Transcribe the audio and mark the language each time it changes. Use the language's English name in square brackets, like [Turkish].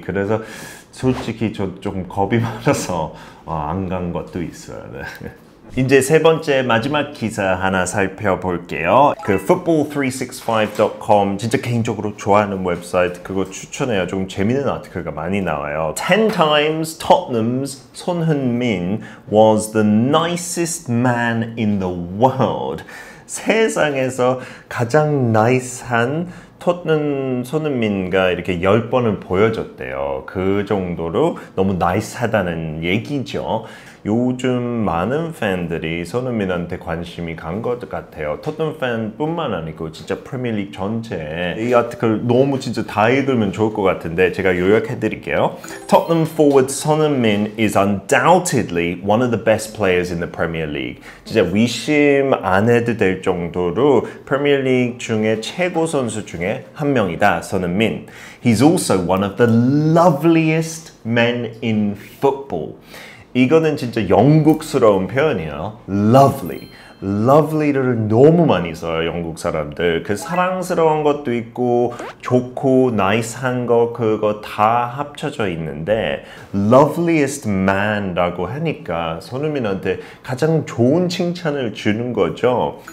[Korean] 그래서 솔직히 저 좀 겁이 많아서 안 간 것도 있어요. 네. 이제 세 번째 마지막 기사 하나 살펴볼게요. 그 football365.com 진짜 개인적으로 좋아하는 웹사이트 그거 추천해요. 좀 재밌는 아티클가 많이 나와요. [English] 10 times Tottenham's 손흥민 was the nicest man in the world. [Korean] 세상에서 가장 나이스한 토트넘 손흥민과 이렇게 10번을 보여줬대요. 그 정도로 너무 나이스하다는 얘기죠. 요즘 많은 팬들이 손흥민한테 관심이 간 것 같아요. 토트넘 팬뿐만 아니고 진짜 프리미어리그 전체에 이 아티클 너무 진짜 다 읽으면 좋을 것 같은데 제가 요약해드릴게요. [English] Tottenham forward 손흥민 is undoubtedly one of the best players in the Premier League. [Korean] 진짜 의심 안 해도 될 정도로 프리미어리그 중에 최고 선수 중에 한 명이다, 손흥민. [English] He's also one of the loveliest men in football. [Korean] 이거는 진짜 영국스러운 표현이에요. Lovely. Lovely를 너무 많이 써요, 영국 사람들. 그 사랑스러운 것도 있고 좋고 나이스한 거 그거 다 합쳐져 있는데 loveliest man라고 하니까 손흥민한테 가장 좋은 칭찬을 주는 거죠.